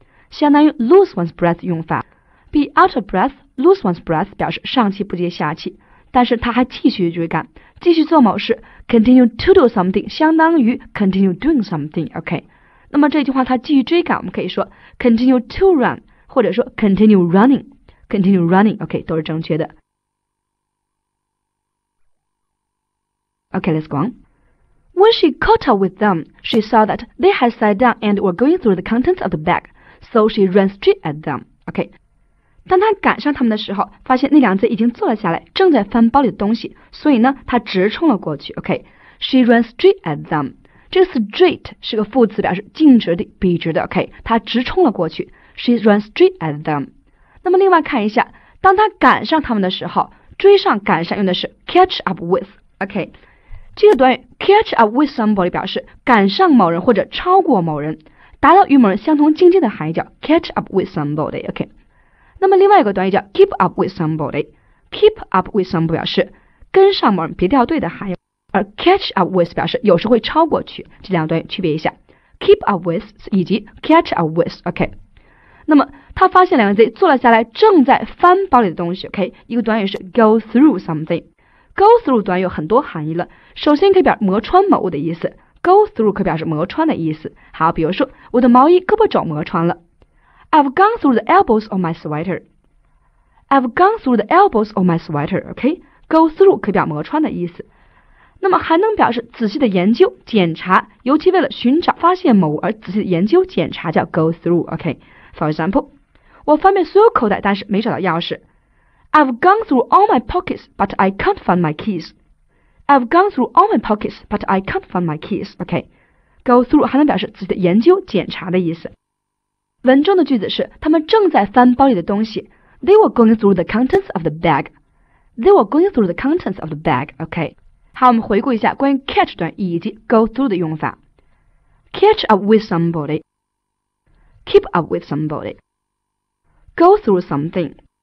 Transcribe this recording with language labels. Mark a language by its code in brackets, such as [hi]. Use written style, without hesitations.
[zh] 相当于 lose one's breath 用法 [en] Be out of breath [zh] Lose one's breath 表示上气不接下气但是她还继续追赶继续做某事 Continue to do something 相当于 Continue doing something OK那么这句话他继续追赶我们可以说 [en] continue to run, [zh] 或者说 continue running, OK, 都是正确的。 [en] OK, let's go on. When she caught up with them, she saw that they had sat down and were going through the contents of the bag, so she ran straight at them, OK. [zh] 当她赶上他们的时候发现那两贼已经坐了下来正在翻包里的东西所以呢她直冲了过去 OK, [en] she ran straight at them. [zh] 这个 straight 是个副词表示径直的笔直的 OK 他直冲了过去 [en] She ran straight at them [zh] 那么另外看一下当他赶上他们的时候追上赶上用的是 catch up with OK 这个短语 catch up with somebody 表示赶上某人或者超过某人达到与某人相同境界的含义叫 catch up with somebody, OK? 那么另外一个短语叫 [en] keep up with somebody, [zh] keep up with somebody 表示跟上某人别掉队的含义，而 catch up with 表示有时会超过去，这两段区别一下 keep up with 以及 catch up with, OK? 那么他发现两个 Z 坐了下来正在翻包里的东西， OK? 一个短语是 go through something, go through 短语有很多含义了，首先可以表磨穿某物的意思，Go through 可表示磨穿的意思。好，比如说，我的毛衣胳膊肘磨穿了。 [en] I've gone through the elbows of my sweater. I've gone through the elbows of my sweater. [zh] OK, go through 可表磨穿的意思。那么还能表示仔细的研究、检查，尤其为了寻找、发现某物而仔细的研究、检查叫 go through. [en] OK, for example, [zh] 我翻遍所有口袋，但是没找到钥匙。 [en] I've gone through all my pockets, but I can't find my keys. I've gone through all my pockets, but I can't find my keys. [zh] OK, go through 还能表示自己的研究、检查的意思。文中的句子是，他们正在翻包里的东西。 [en] They were going through the contents of the bag. They were going through the contents of the bag. [zh] OK, 好，我们回顾一下关于 catch 短语以及 go through 的用法。 [en] Catch up with somebody. Keep up with somebody. Go through something.